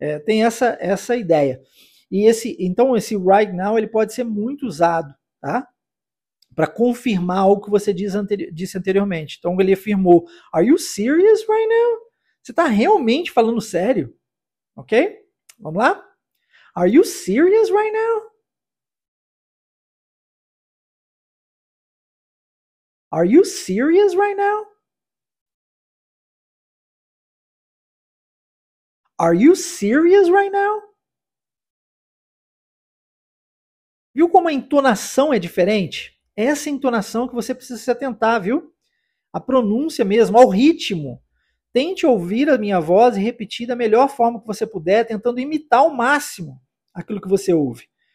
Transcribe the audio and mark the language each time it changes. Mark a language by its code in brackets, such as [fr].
[pt] Tem essa ideia. E esse right now ele pode ser muito usado, tá? Para confirmar o que você disse anteriormente. Então ele afirmou: Are you serious right now? Você está realmente falando sério? Ok? Vamos lá? [en] Are you serious right now? Are you serious right now? Are you serious right now? [pt] Viu como a entonação é diferente? Essa entonação que você precisa se atentar, viu? A pronúncia mesmo, ao ritmo. Tente ouvir a minha voz e repetir da melhor forma que você puder, tentando imitar ao máximo aquilo que você ouve.